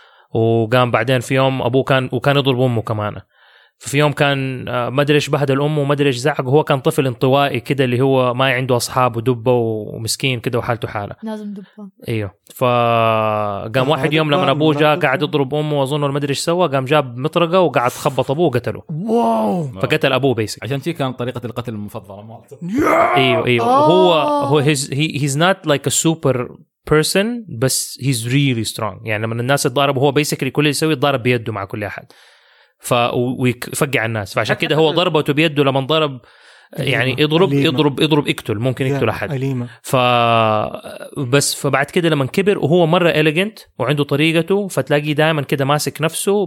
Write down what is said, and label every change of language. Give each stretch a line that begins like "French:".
Arabic: وقام بعدين في يوم أبوه كان وكان يضرب أمه كمان. في يوم كان ما أدري إيش بهدل أمه وما أدري إيش زعق، وهو كان طفل انطوائي كده اللي هو ما عنده أصحاب ودبه ومسكين كده وحالته حالة. لازم دبه. إيوه. فقام واحد يوم لما أبوه جاء قاعد يضرب أمه وأظنه ما أدري إيش سوى، قام جاب مطرقة وقاعد خبط أبوه وقتله. واو. فقتل أبوه بيسك. عشان تي كان طريقة القتل المفضلة مالته. إيوه إيوه. آه. هو
English: he's not like a super person
Arabic: بس
English: he's really strong.
Arabic: يعني لما الناس تضارب هو بيسك كل اللي يسوي يضارب بيده مع كل أحد. ويفقع الناس، فعشان كده هو ضربه بيده لما ضرب يعني يضرب يضرب يضرب, يضرب يقتل ممكن يقتل احد. فبس فبعد كده لما كبر وهو مره إليجنت وعنده طريقته، فتلاقي دائما كده ماسك نفسه.